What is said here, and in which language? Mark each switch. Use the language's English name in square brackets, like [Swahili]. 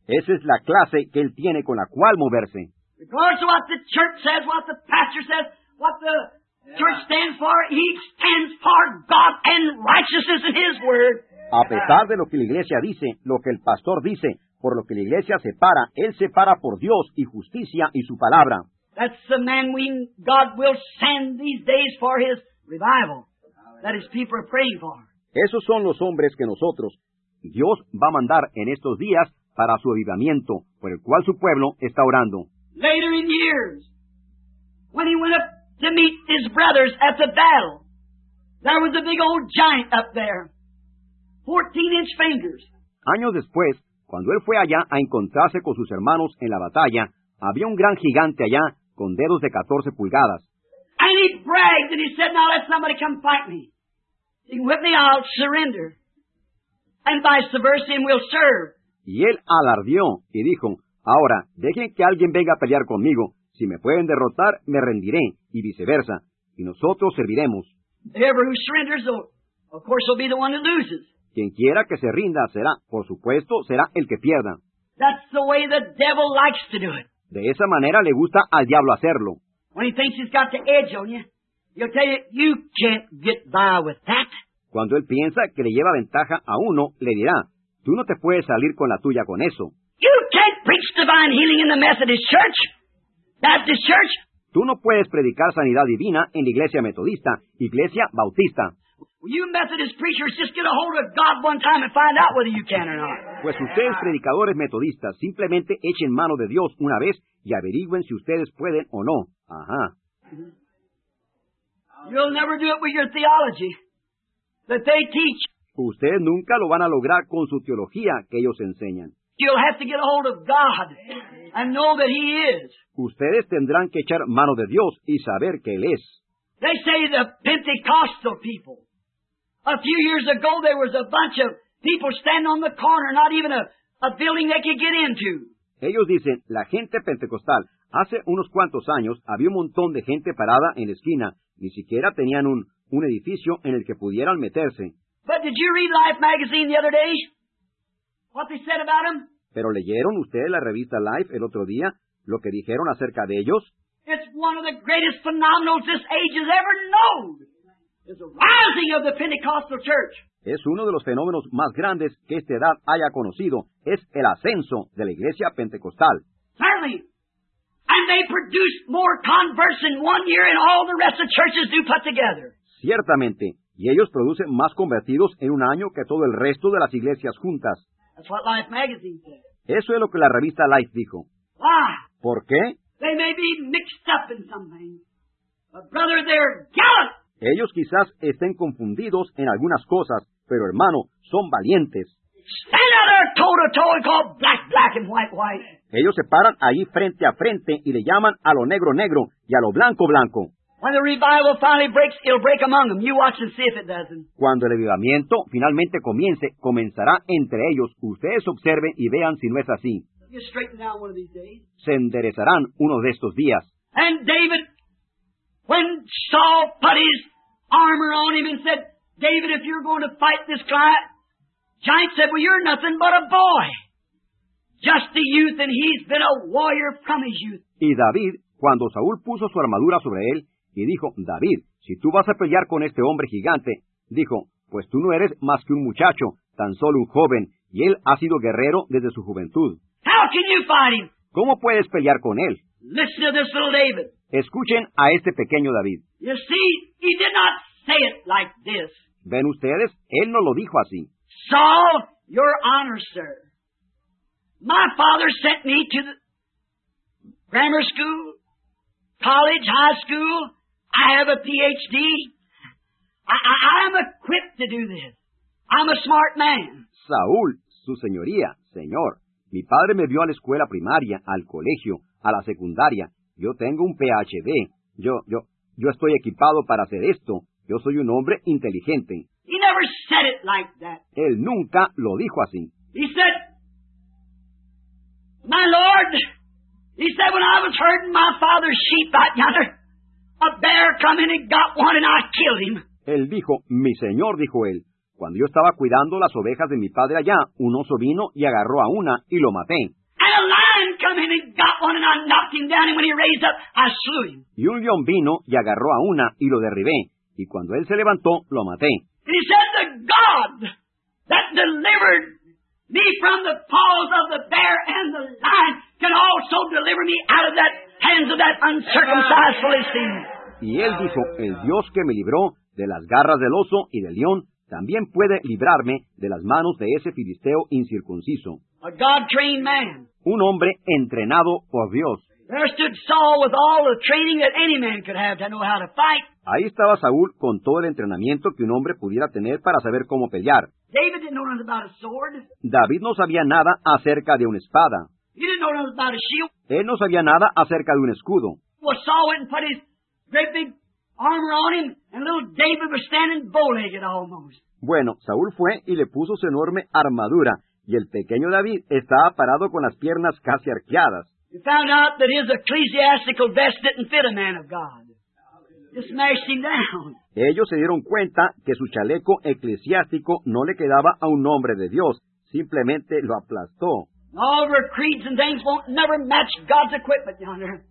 [Spanish] Esa es la clase que él tiene con la cual moverse. [English] Regardless of what the church says, what the pastor says, what the church stands for, he stands for God and righteousness in his word. [Spanish] A pesar de lo que la iglesia dice, lo que el pastor dice, por lo que la iglesia separa, él separa por Dios y justicia y su palabra. [English] That's the man God will send these days for his revival. That is, people are praying for. [Spanish] Esos son los hombres que nosotros, Dios va a mandar en estos días para su avivamiento, por el cual su pueblo está orando. [English] Later in years, when he went up to meet his brothers at the battle, there was a big old giant up there, 14-inch fingers. [Spanish] Años después, cuando él fue allá a encontrarse con sus hermanos en la batalla, había un gran gigante allá con dedos de 14 pulgadas. [English] And he bragged and he said, "Now let somebody come fight me. If you can whip me, I'll surrender. And vice versa, and we'll serve." [Spanish] Y él alardeó y dijo, "Ahora, dejen que alguien venga a pelear conmigo. Si me pueden derrotar, me rendiré, y viceversa. Y nosotros serviremos." [English] Whoever who surrenders, of course, will be the one who loses. [Spanish] Quien quiera que se rinda será, por supuesto, será el que pierda. [English] That's the way the devil likes to do it. [Spanish] De esa manera le gusta al diablo hacerlo. [English] When he thinks he's got the edge on you, he'll tell you, "You can't get by with that." [Spanish] Cuando él piensa que le lleva ventaja a uno, le dirá, "Tú no te puedes salir con la tuya con eso." [English] "You can't preach divine healing in the Methodist Church, Baptist Church." [Spanish] Tú no puedes predicar sanidad divina en la iglesia metodista, iglesia bautista. [English] "You Methodist preachers, just get a hold of God one time and find out whether you can or not." [Spanish] Pues ustedes, predicadores metodistas, simplemente echen mano de Dios una vez y averigüen si ustedes pueden o no. Ajá. [English] "You'll never do it with your theology that they teach." [Spanish] Ustedes nunca lo van a lograr con su teología que ellos enseñan. [English] "You'll have to get a hold of God and know that He is." [Spanish] Ustedes tendrán que echar mano de Dios y saber que Él es. [English] "They say the Pentecostal people. A few years ago, there was a bunch of people standing on the corner, not even a building they could get into." [Spanish] Ellos dicen, la gente pentecostal, hace unos cuantos años, había un montón de gente parada en la esquina. Ni siquiera tenían un edificio en el que pudieran meterse. [English] "But did you read Life magazine the other day? What they said about them?" [Spanish] ¿Pero leyeron ustedes la revista Life el otro día, lo que dijeron acerca de ellos? [English] "It's one of the greatest phenomenons this age has ever known. It's a rising of the Pentecostal church." [Spanish] Es uno de los fenómenos más grandes que esta edad haya conocido. Es el ascenso de la iglesia pentecostal. [English] "Certainly. And they produce more converts in one year than all the rest of churches do put together." [Spanish] Ciertamente. Y ellos producen más convertidos en un año que todo el resto de las iglesias juntas. [English] "That's what Life magazine said." [Spanish] Eso es lo que la revista Life dijo. [English] "Why?" [Spanish] ¿Por qué? [English] "They may be mixed up in something. But brother, they're gallant." [Spanish] Ellos quizás estén confundidos en algunas cosas, pero hermano, son valientes. [English] "Stand out there toe to toe and call black, black and white, white." [Spanish] Ellos se paran ahí frente a frente y le llaman a lo negro, negro y a lo blanco, blanco. [English] "When the revival finally breaks, it'll break among them. You watch and see if it doesn't." [Spanish] Cuando el avivamiento finalmente comience, comenzará entre ellos. Ustedes observen y vean si no es así. [English] "You straighten out one of these days." [Spanish] Se enderezarán uno de estos días. [English] "And David, when Saul put his armor on him and said, 'David, if you're going to fight this giant,' giant said, 'Well, you're nothing but a boy, just a youth, and he's been a warrior from his youth.'" [Spanish] Y David, cuando Saúl puso su armadura sobre él y dijo, "David, si tú vas a pelear con este hombre gigante", dijo, "Pues tú no eres más que un muchacho, tan solo un joven, y él ha sido guerrero desde su juventud." [English] "How can you fight him?" [Spanish] ¿Cómo puedes pelear con él? [English] "Listen to this little David." [Spanish] Escuchen a este pequeño David. [English] "You see, he did not say it like this." [Spanish] ¿Ven ustedes? Él no lo dijo así. [English] "Saul, your honor, sir. My father sent me to the grammar school, college, high school. I have a PhD. I am equipped to do this. I'm a smart man." [Spanish] "Saúl, su señoría, señor, mi padre me vio a la escuela primaria, al colegio, a la secundaria. Yo tengo un PhD. Yo estoy equipado para hacer esto. Yo soy un hombre inteligente." [English] "He never said it like that." [Spanish] Él nunca lo dijo así. [English] "He said, 'My Lord,' he said, 'when I was herding my father's sheep out yonder, a bear come in and got one and I killed him.'" [Spanish] Él dijo, "Mi señor", dijo él, "cuando yo estaba cuidando las ovejas de mi padre allá, un oso vino y agarró a una y lo maté. [English] And a lion come in and got one and I knocked him down, and when he raised up, I slew him." [Spanish] Y un león vino y agarró a una y lo derribé, y cuando él se levantó, lo maté. [English] "And he said, 'The God that delivered me from the paws of the bear and the lion can also deliver me out of that hands of that uncircumcised Philistine.'" [Spanish] Y él dijo, "El Dios que me libró de las garras del oso y del león, también puede librarme de las manos de ese filisteo incircunciso. [English] A God-trained man. [Spanish] Un hombre entrenado por Dios. [English] There stood Saul with all the training that any man could have to know how to fight. [Spanish] Ahí estaba Saúl con todo el entrenamiento que un hombre pudiera tener para saber cómo pelear. [English] David didn't know nothing about a sword. [Spanish] David no sabía nada acerca de una espada. [English] He didn't know nothing about a shield. [Spanish] Él no sabía nada acerca de un escudo. [English] Well, Saul went and put his great big armor on him, and little David was standing bow-legged almost. [Spanish] Bueno, Saúl fue y le puso su enorme armadura, y el pequeño David estaba parado con las piernas casi arqueadas. [English] He found out that his ecclesiastical vest didn't fit a man of God. Just smashed him down. [Spanish] Ellos se dieron cuenta que su chaleco eclesiástico no le quedaba a un hombre de Dios. Simplemente lo aplastó. [English] All of our creeds and things won't never match God's equipment, yonder.